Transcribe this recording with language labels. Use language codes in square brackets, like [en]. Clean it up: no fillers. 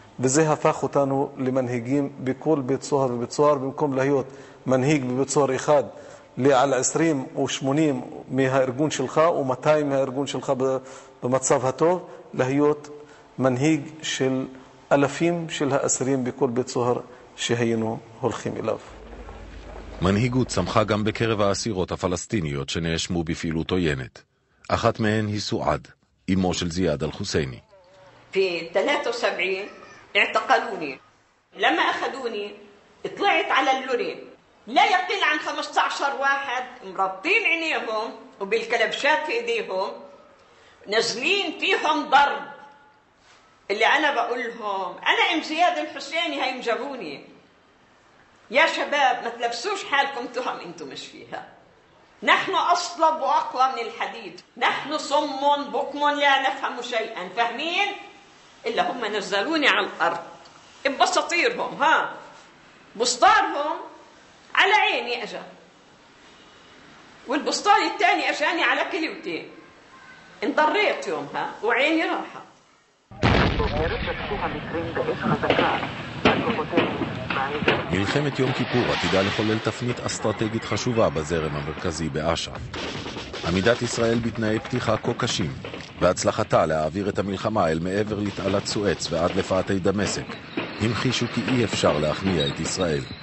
[he] וזה הפך אותנו למנהיגים בכל בית סוהר ובית סוהר, במקום להיות מנהיג בבית סוהר אחד, לעל 20 או 80 מהארגון שלך או 200 מהארגון שלך במצב הטוב, להיות מנהיג של אלפים של האסירים בכל בית סוהר שהיינו הולכים אליו. מנהיגות צמחה גם בקרב האסירות הפלסטיניות שנאשמו בפעילות עוינת. אחת מהן היא סועד, אמו של זיאד אל-חוסייני. ב-73 [ar] اعتقلوني. لما اخذوني طلعت على اللورين. لا يقل عن 15 واحد مربطين عينيهم وبالكلبشات في ايديهم نازلين فيهم ضرب. اللي انا بقول لهم انا ام زياد الحسيني هيم جابوني يا شباب ما تلبسوش حالكم تهم انتم مش فيها. نحن اصلب واقوى من الحديد. نحن صم بكم لا نفهم شيئا. فاهمين؟ الا هم نزلوني على الارض بسطيرهم ها بسطارهم على عيني اجا والبسطاري الثاني اجاني على كليوتي انضريت يومها وعيني راحه [he] מלחמת יום כיפור עתידה לחולל תפנית אסטרטגית חשובה בזרם המרכזי באש"ף. עמידת ישראל בתנאי פתיחה כה קשים, והצלחתה להעביר את המלחמה אל מעבר לתעלת סואץ ועד לפאתי דמשק, המחישו כי אי אפשר להכניע את ישראל.